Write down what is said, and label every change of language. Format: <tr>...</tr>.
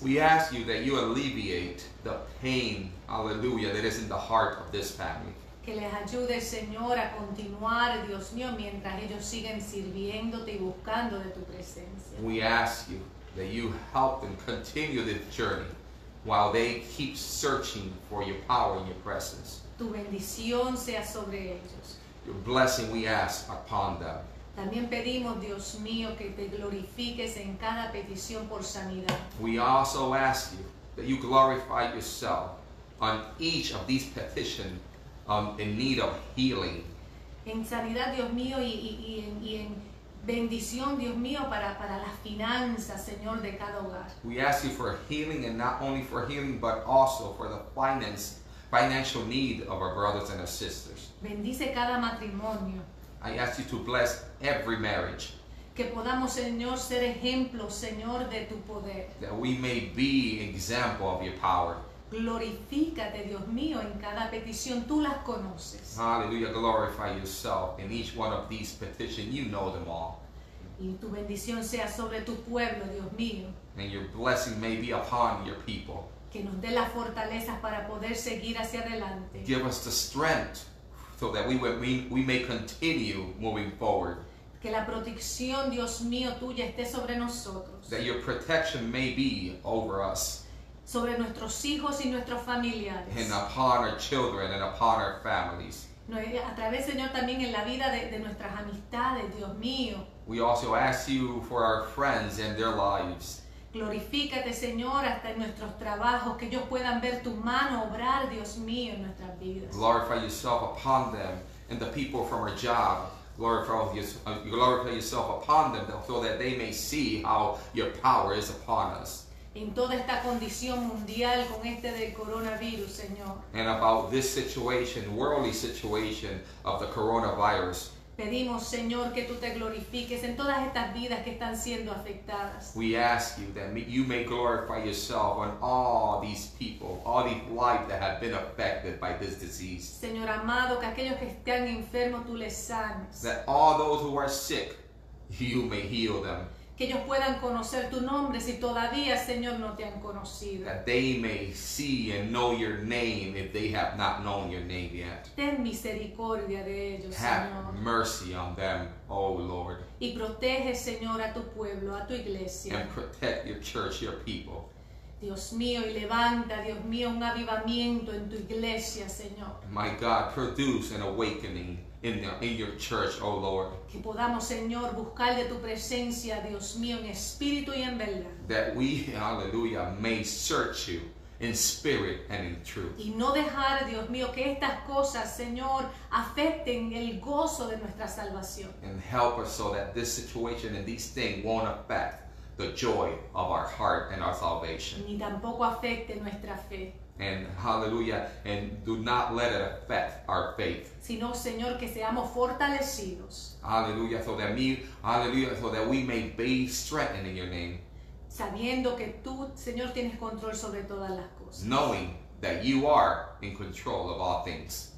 <en>We ask you that you alleviate the pain, hallelujah, that is in the heart of this family.</en> <es>Que les ayude, Señor, a continuar, Dios mío, mientras ellos siguen sirviéndote y buscando de tu presencia.</es> <en>We ask you that you help them continue this journey while they keep searching for your power and your presence.</en> <es>Tu bendición sea sobre ellos.</es> <en>Your blessing we ask upon them.</en> <es>También pedimos, Dios mío, que te glorifiques en cada petición por sanidad.</es> <en>We also ask you that you glorify yourself on each of these petitions in need of healing.</en> <es>En sanidad, Dios mío, y en bendición, Dios mío, para las finanzas, Señor, de cada hogar.</es> <en>We ask you for healing, and not only for healing, but also for the financial need of our brothers and our sisters.</en> <es>Bendice cada matrimonio.</es> <en>I ask you to bless every marriage.</en> <es>Que podamos, Señor, ser ejemplo, Señor, de tu poder.</es> <en>That we may be example of your power.</en> <es>Glorifícate, Dios mío, en cada petición. Tú las conoces.</es> <en>Hallelujah. Glorify yourself in each one of these petitions. You know them all.</en> <es>Y tu bendición sea sobre tu pueblo, Dios mío.</es> <en>And your blessing may be upon your people.</en> <es>Que nos dé las fortalezas para poder seguir hacia adelante.</es> <en>Give us the strength so that we may continue moving forward.</en> <es>Que la protección, Dios mío, tuya esté sobre nosotros.</es> <en>That your protection may be over us.</en> <es>Sobre nuestros hijos y nuestros familiares.</es> <en>And upon our children and upon our families.</en> <es>A través, Señor, también en la vida de nuestras amistades, Dios mío.</es> <en>We also ask you for our friends and their lives.</en> <es>Glorifícate, Señor, hasta en nuestros trabajos, que ellos puedan ver tu mano obrar, Dios mío, en nuestras vidas.</es> <en>Glorify yourself upon them and the people from our job. glorify yourself upon them so that they may see how your power is upon us.</en> <es>En toda esta condición mundial con este del coronavirus, Señor.</es> <en>And about this situation, worldly situation of the coronavirus.</en> <es>Pedimos, Señor, que tú te glorifiques en todas estas vidas que están siendo afectadas.</es> <en>We ask you that you may glorify yourself on all these people, all these lives that have been affected by this disease.</en> <es>Señor amado, que aquellos que están enfermos tú les sanes.</es> <en>That all those who are sick, you may heal them.</en> <es>Que ellos puedan conocer tu nombre si todavía, Señor, no te han conocido.</es> <en>That they may see and know your name if they have not known your name yet.</en> <es>Ten misericordia de ellos,</es> <en>have</en> <es>Señor.</es> <en>Have mercy on them, oh Lord.</en> <es>Y protege, Señor, a tu pueblo, a tu iglesia.</es> <en>And protect your church, your people.</en> <es>Dios mío, y levanta, Dios mío, un avivamiento en tu iglesia, Señor.</es> <en>My God, produce an awakening in your church, oh Lord.</en> <es>Que podamos, Señor, buscar de tu presencia, Dios mío, en espíritu y en verdad.</es> <en>That we, hallelujah, may search you in spirit and in truth.</en> <es>Y no dejar, Dios mío, que estas cosas, Señor, afecten el gozo de nuestra salvación.</es> <en>And help us so that this situation and these things won't affect the joy of our heart and our salvation.</en> <es>Ni tampoco afecte nuestra fe.</es> <en>And hallelujah, and do not let it affect our faith.</en> <es>Sino, Señor, que seamos fortalecidos.</es> <en>Hallelujah, so that we may be strengthened in your name.</en> <es>Sabiendo que tú, Señor, tienes control sobre todas las cosas.</es> <en>Knowing that you are in control of all things.</en>